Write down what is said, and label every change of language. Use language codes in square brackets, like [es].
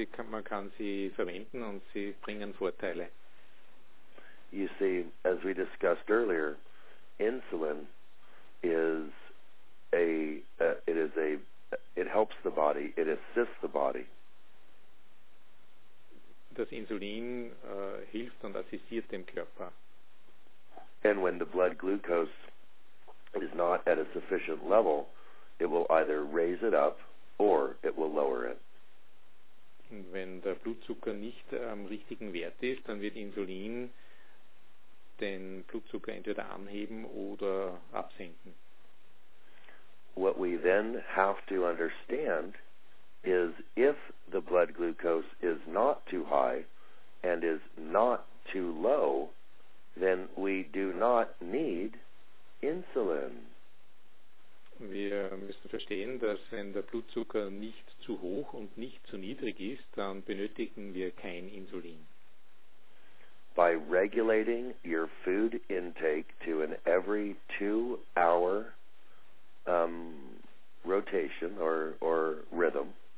[de] Man kann sie verwenden und sie bringen Vorteile. [en] You see, as we discussed earlier, insulin is it helps the body, it assists the body. [de] Das Insulin hilft und assistiert dem Körper. [en] And when the blood glucose is not at a sufficient level, it will either raise it up or it will lower it. [de] Wenn der Blutzucker nicht am richtigen Wert ist, dann wird Insulin den Blutzucker entweder anheben oder absenken. [en] What we then have to understand is if the blood glucose is not too high and is not too low, then we do not need insulin. [de] Wir müssen verstehen, dass wenn der Blutzucker nicht zu hoch und nicht zu niedrig ist, dann benötigen wir kein Insulin. [en] By regulating your food intake to an every 2-hour rotation or rhythm.